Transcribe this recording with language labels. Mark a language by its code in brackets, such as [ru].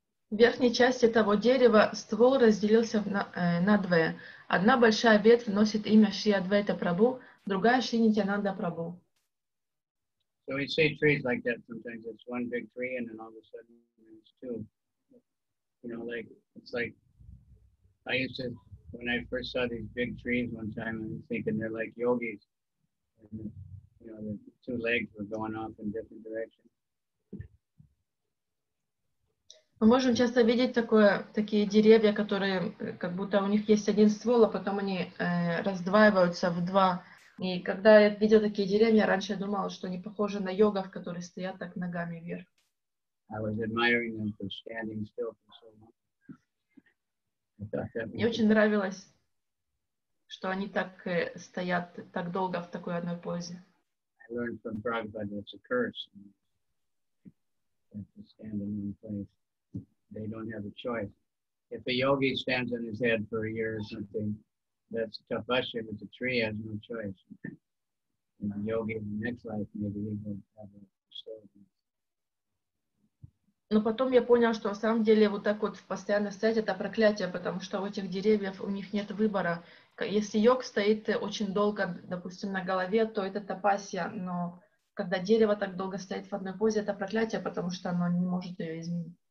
[ru] В верхней части того дерева ствол разделился на двое. Одна большая ветвь носит имя Шри Адвайта Прабху, другая Шри Нитянанда Прабху. [en] So we say trees like that sometimes. It's one big tree and then all of a sudden there's two. You know, like, it's like, I used to, when I first saw these big trees one time, I was thinking they're like yogis. And, you know, the two legs were going off in different directions. [ru] Мы можем часто видеть такие деревья, которые, как будто у них есть один ствол, а потом они раздваиваются в два. И когда я видел такие деревья, раньше я думал, что они похожи на йогов, которые стоят так ногами вверх. [en] I was admiring them for standing still for so long. [ru] Мне очень нравилось, что они так стоят так долго в такой одной позе. [en] I learned from Prabhupada that it's a curse. To stand in one place. They don't have a choice. If a yogi stands on his head for a year or something, that's tapasya, but the tree has no choice. And a yogi in the next life, maybe he will have a story. [ru] Но потом я понял, что на самом деле вот так вот постоянно стоять — это проклятие, потому что у этих деревьев у них нет выбора. Если йог стоит очень долго, допустим, на голове, то это тапасья, но когда дерево так долго стоит в одной позе, это проклятие, потому что оно не может ее